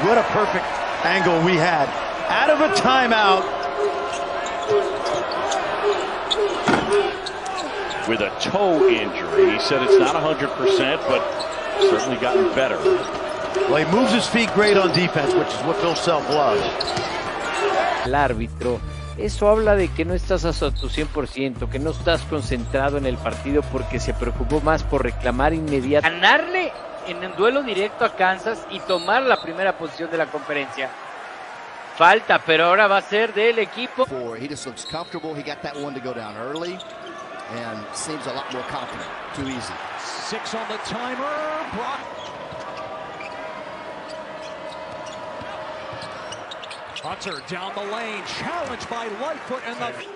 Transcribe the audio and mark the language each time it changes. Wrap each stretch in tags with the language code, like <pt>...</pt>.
<en>What a perfect angle we had. Out of a timeout. With a toe injury. He said it's not 100%, but certainly gotten better. Well, he moves his feet great on defense, which is what Bill Self loves.</en> <es>El árbitro. Eso habla de que no estás a tu 100%, que no estás concentrado en el partido porque se preocupó más por reclamar inmediatamente. Ganarle en un duelo directo a Kansas y tomar la primera posición de la conferencia. Falta, pero ahora va a ser del equipo.</es> <en>He just looks comfortable. He got that one to go down early and seems a lot more confident. Too easy. Six on the timer. Brock. Hunter down the lane, challenged by Lightfoot and the...</en>